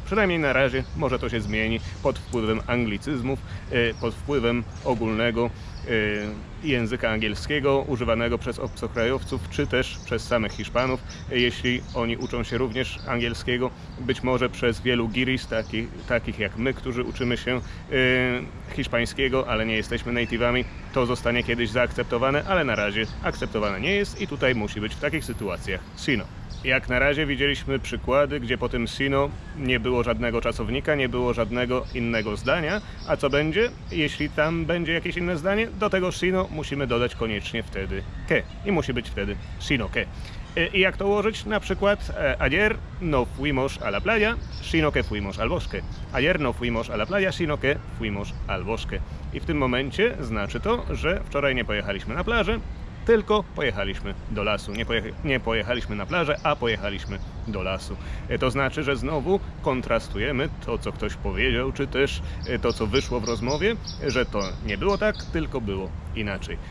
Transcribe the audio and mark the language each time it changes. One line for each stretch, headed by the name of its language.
Polish: Przynajmniej na razie może to się zmieni pod wpływem anglicyzmów, pod wpływem ogólnego języka angielskiego używanego przez obcokrajowców, czy też przez samych Hiszpanów, jeśli oni uczą się również angielskiego, być może przez wielu giris, takich jak my, którzy uczymy się hiszpańskiego, ale nie jesteśmy native'ami, to zostanie kiedyś zaakceptowane, ale na razie akceptowane nie jest i tutaj musi być w takich sytuacjach sino. Jak na razie widzieliśmy przykłady, gdzie po tym sino nie było żadnego czasownika, nie było żadnego innego zdania. A co będzie, jeśli tam będzie jakieś inne zdanie? Do tego sino musimy dodać koniecznie wtedy ke. I musi być wtedy sino ke. I jak to ułożyć? Na przykład
Spanish: ayer no fuimos a la playa, sino que fuimos al bosque. Ayer no fuimos a la playa, sino que fuimos al bosque.
Polish: I w tym momencie znaczy to, że wczoraj nie pojechaliśmy na plażę, tylko pojechaliśmy do lasu. Nie pojechaliśmy na plażę, a pojechaliśmy do lasu. To znaczy, że znowu kontrastujemy to, co ktoś powiedział, czy też to, co wyszło w rozmowie, że to nie było tak, tylko było inaczej.